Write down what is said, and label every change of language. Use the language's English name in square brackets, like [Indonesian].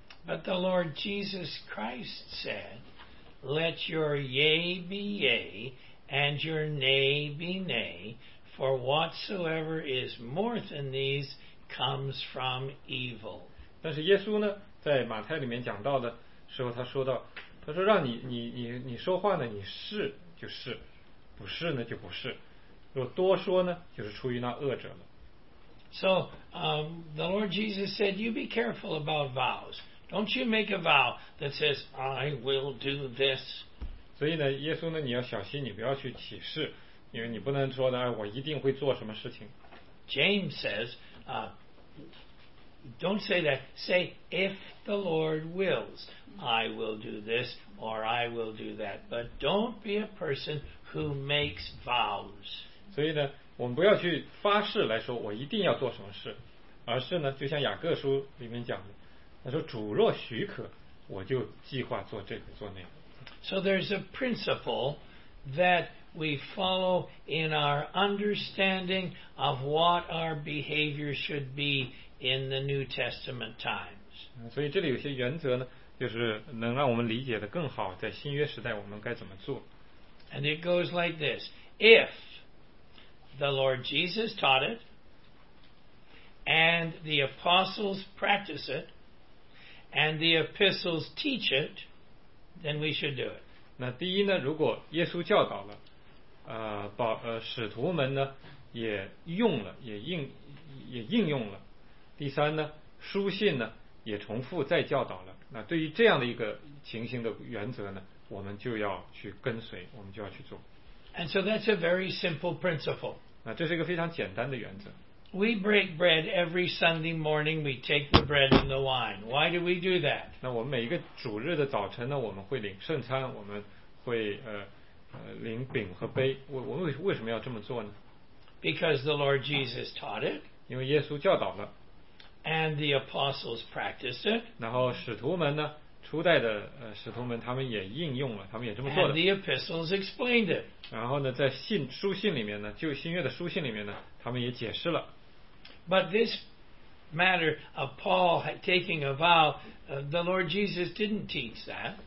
[English] But the Lord Jesus Christ said, let your yea be yea, and your nay be nay, for whatsoever is more than these comes from evil. [Chinese] 但是耶稣呢，在马太里面讲到的时候，他说到，他说让你说话呢，你是就是，不是呢就不是，若多说呢，就是出于那恶者了。 [English] So, the Lord Jesus said, you be careful about vows. Don't you make a vow that says, I will do this. [Chinese] 所以呢，耶稣呢，你要小心，你不要去起誓，因为你不能说的，哎，我一定会做什么事情。 [English] James says, don't say that. Say, if the Lord wills, I will do this or I will do that. But don't be a person who makes vows. [Chinese] 所以呢，我们不要去发誓来说我一定要做什么事，而是呢，就像雅各书里面讲的，他说主若许可，我就计划做这个做那个。 [English] So there's a principle that we follow in our understanding of what our behavior should be in the New Testament times. [Chinese] 所以这里有些原则呢，就是能让我们理解的更好，在新约时代我们该怎么做。 [English] And it goes like this. If the Lord Jesus taught it, and the apostles practice it, and the epistles teach it, then we should do it. [Chinese] 那第一呢，如果耶稣教导了，使徒们呢也用了，也应用了。第三呢，书信呢也重复再教导了。那对于这样的一个情形的原则呢，我们就要去跟随，我们就要去做。 [English] And so that's a very simple principle. [Chinese] 那这是一个非常简单的原则。 [English] We break bread every Sunday morning. We take the bread and the wine. Why do we do that? [Chinese] 那我们每一个主日的早晨呢，我们会领圣餐，我们会领饼和杯，为什么要这么做呢？ [English] Because the Lord Jesus taught it. [Chinese] 因为耶稣教导了。 [English] And the apostles practiced it. [Chinese] 然后使徒们呢，初代的使徒们他们也应用了，他们也这么做了。 [English] And the epistles explained it. [Chinese] 然后呢，在书信里面呢，旧新约的书信里面呢，他们也解释了。 [English] But this matter of Paul taking a vow, the Lord Jesus didn't teach that.